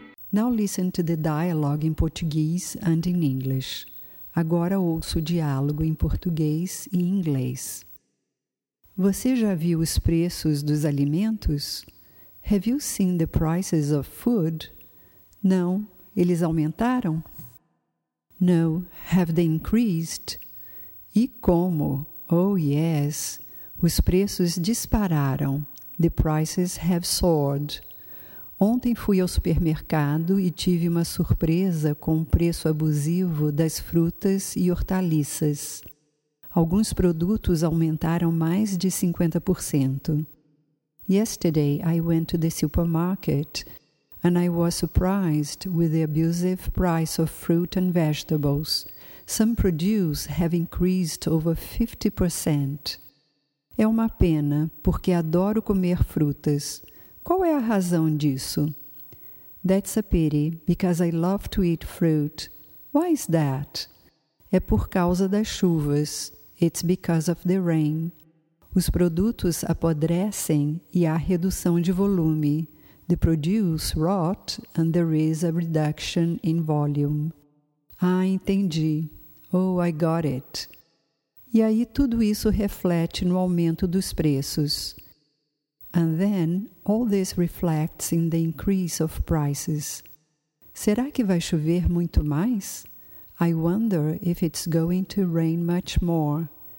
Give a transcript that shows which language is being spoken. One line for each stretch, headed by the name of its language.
English: Now listen to the dialogue in Portuguese and in English.
Portuguese: Agora ouça o diálogo em português e inglês. Você já viu os preços dos alimentos?
English: Have you seen the prices of food?
Portuguese: Não, eles aumentaram?
English: No, have they increased?
Portuguese: E como?
English: Oh, yes.
Portuguese: Os preços dispararam.
English: The prices have soared.
Portuguese: Ontem fui ao supermercado e tive uma surpresa com o preço abusivo das frutas e hortaliças. Alguns produtos aumentaram mais de 50%.
English: Yesterday, I went to the supermarket and I was surprised with the abusive price of fruit and vegetables. Some produce have increased over 50%.
Portuguese: É uma pena, porque adoro comer frutas. Qual é a razão disso?
English: That's a pity, because I love to eat fruit. Why is that?
Portuguese: É por causa das chuvas.
English: It's because of the rain.
Portuguese: Os produtos apodrecem e há redução de volume.
English: The produce rot and there is a reduction in volume.
Portuguese: Ah, entendi.
English: Oh, I got it.
Portuguese: E aí tudo isso reflete no aumento dos preços.
English: And then all this reflects in the increase of prices.
Portuguese: Será que vai chover muito mais?
English: I wonder if it's going to rain much more.